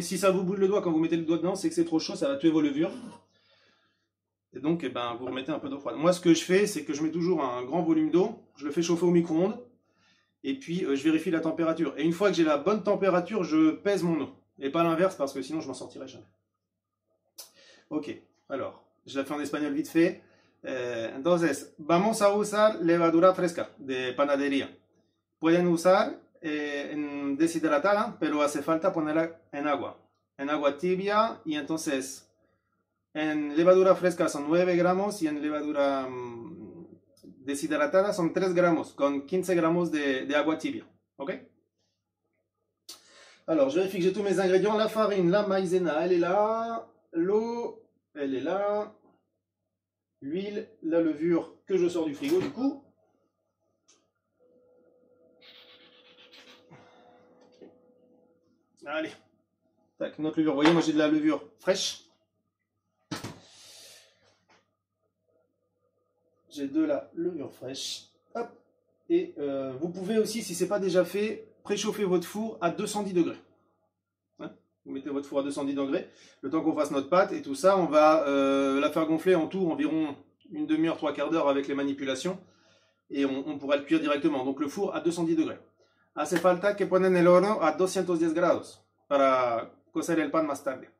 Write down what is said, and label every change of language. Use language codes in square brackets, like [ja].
[fr] Si ça vous brûle le doigt quand vous mettez le doigt dedans, c'est que c'est trop chaud, ça va tuer vos levures. Et donc, eh ben, vous remettez un peu d'eau froide. Moi, ce que je fais, c'est que je mets toujours un grand volume d'eau. Je le fais chauffer au micro-ondes. Et puis, je vérifie la température. Et une fois que j'ai la bonne température, je pèse mon eau. Et pas l'inverse, parce que sinon, je m'en sortirai jamais. Ok. Alors, je la fais en espagnol vite fait. [es] Entonces, vamos a usar levadura fresca de panadería. Pueden usar deshidratada, pero hace falta ponerla en agua. En agua tibia, y entonces. En levadura fresca son 9 gramos y en levadura deshidratada son 3 gramos, con 15 gramos de agua tibia. ¿Ok? [fr] Alors, je vérifie que j'ai tous mes ingrédients. La farine, la maïzena, elle est là. L'eau, elle est là. L'huile, la levure que je sors du frigo, du coup. Allez. Tac, notre levure. Vous voyez, moi j'ai de la levure fraîche. J'ai de la levure fraîche. Hop. Et vous pouvez aussi, si ce n'est pas déjà fait, préchauffer votre four à 210 degrés. Vous mettez votre four à 210 degrés. Le temps qu'on fasse notre pâte et tout ça, on va la faire gonfler en tout environ une demi-heure, trois quarts d'heure avec les manipulations. Et on pourra le cuire directement. Donc le four à 210 degrés. [es] Hace falta que ponen el horno a 210 grados para cocer el pan más tarde.